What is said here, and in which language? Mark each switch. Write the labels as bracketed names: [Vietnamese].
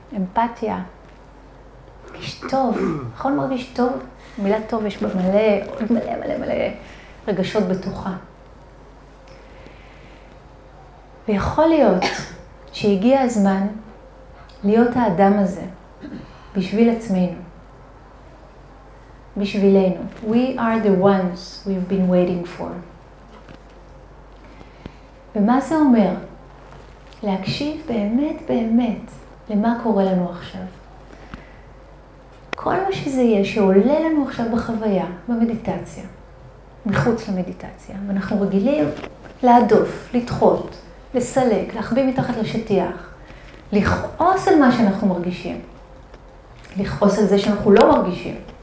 [Hebrew] אמפתיה. מרגיש טוב. יכול מרגיש טוב? מילה טוב יש בה מלא, עוד מלא מלא מלא רגשות בתוכה. ויכול להיות שהגיע הזמן להיות האדם הזה. בשביל עצמנו, בשבילנו. [English] We are the ones we've been waiting for. [Hebrew] ומה זה אומר? להקשיב באמת באמת למה קורה לנו עכשיו. כל מה שזה יהיה שעולה לנו עכשיו בחוויה, במדיטציה, מחוץ למדיטציה, ואנחנו רגילים להדוף, לדחות, לסלק, להחביא מתחת לשטיח, לכעוס על מה שאנחנו מרגישים, לכעוס על זה שאנחנו לא מרגישים.